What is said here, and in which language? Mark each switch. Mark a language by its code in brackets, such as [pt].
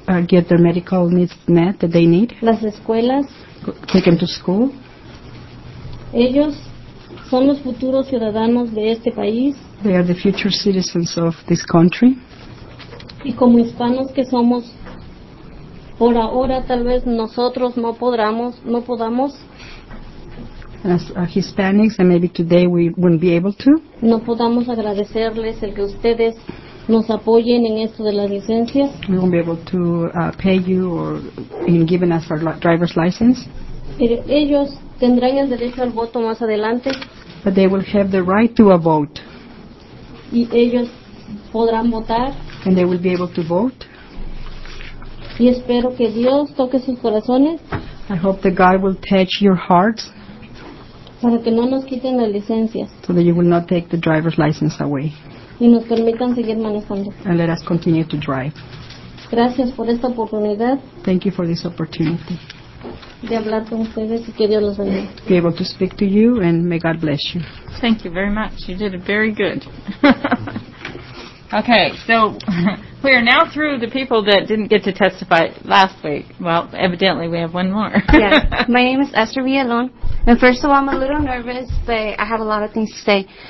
[en] Get their medical needs met that they need. [es] Las escuelas. [en] Take them to school. [es] Ellos son los futuros ciudadanos de este país. [en] They are the future citizens of this country. [es] Y como hispanos que somos, por ahora tal vez nosotros no podamos. [en] As Hispanics, and maybe today we wouldn't be able to. [es] No podamos agradecerles el que ustedes nos apoyen en esto de las licencias. [en] We won't be able to pay you or in giving us our driver's license. [es] Pero ellos tendrán el derecho al voto más adelante. [en] But they will have the right to a vote. [es] Y ellos podrán votar. [en] And they will be able to vote. [es] Y espero que Dios toque sus corazones. [en] I hope that God will touch your hearts. [es] Para que no nos quiten las licencias. [en] So that you will not take the driver's license away. [es] Y nos permitan seguir manejando. [en] And let us continue to drive. [es] Gracias por esta oportunidad. [en] Thank you for this opportunity. [es] De hablar con ustedes y que Dios los bendiga. [en] To be able to speak to you and may God bless you. Thank you very much. You did it very good. Okay, so we are now through the people that didn't get to testify last week. Well, evidently we have one more. Yeah, my name is Esther Villalon. And first of all, I'm a little nervous, but I have a lot of things to say.